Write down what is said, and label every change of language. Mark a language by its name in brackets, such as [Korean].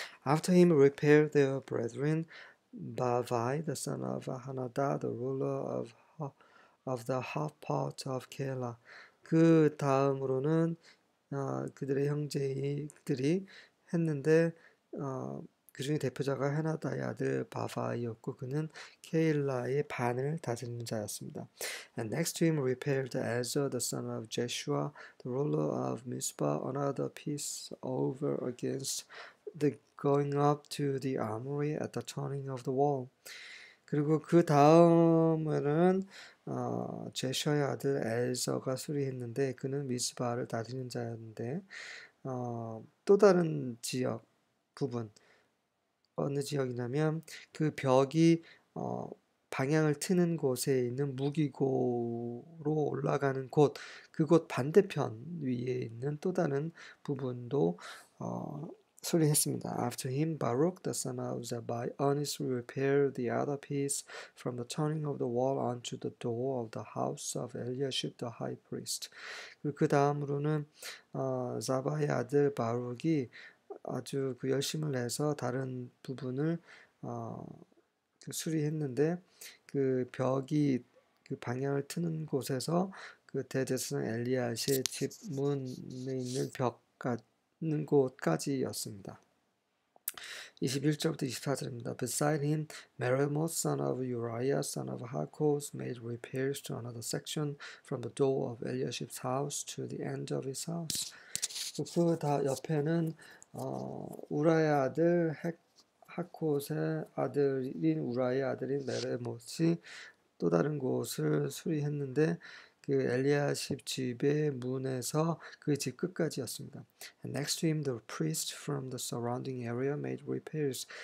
[English] After him repaired their brethren, Bavai, the son of Hanadah, the ruler of the half part of Keilah. [Korean] 그 다음으로는 그들의 형제들이 했는데, 그중에 대표자가 헤나다의 아들 바바이였고, 그는 케일라의 반을 다스리는 자였습니다. [English] And next to him repaired Ezra, the son of Jeshua, the ruler of Mizpah, another piece over against the going up to the armory at the turning of the wall. [Korean] 그리고 그 다음에는 제셔의 아들 에서가 수리했는데, 그는 미스바를 다스리는 자였는데, 또 다른 지역 부분, 어느 지역이냐면, 그 벽이 방향을 트는 곳에 있는 무기고로 올라가는 곳, 그곳 반대편 위에 있는 또 다른 부분도 수리했습니다. [English] After him, Baruch, the son of Zabai, honestly repaired the other piece from the turning of the wall onto the door of the house of Eliashib the high priest. [Korean] 그 다음으로는 자바의 아들 바룩이 아주 그 열심을 내서 다른 부분을 수리했는데, 그 벽이 그 방향을 트는 곳에서 그 대제사장 엘리야시의 집 문에 있는 벽까지 는 곳까지였습니다. 21절부터 24절입니다. [English] Beside him, Meremoth, son of Uriah, son of Hakoz, made repairs to another section from the door of Eliashib's house to the end of his house. [Korean] 그다 옆에는 우라의 아들 하코스의 아들인 우라의 아들인 메레못이 또 다른 곳을 수리했는데 그 엘리야십 집의 문에서 그집 끝까지였습니다. [English] And next to him, the priest from the surrounding area made repairs.